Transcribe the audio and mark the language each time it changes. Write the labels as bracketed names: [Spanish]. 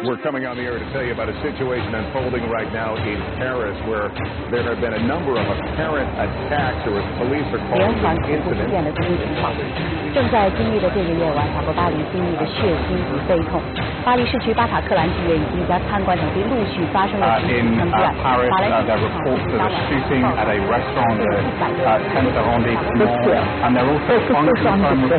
[English] We're coming on the air to tell you about a situation unfolding right now in Paris where there have been a number of apparent attacks or police are calling them incidents. [Chinese] 正在经历的这个夜晚，法国巴黎经历的血腥与悲痛。巴黎市区巴塔克兰剧院以及一家餐馆等地陆续发生了枪击案。巴黎警方 [English] 在 report the shooting at a restaurant at 10th arrondissement and they're also functioning from the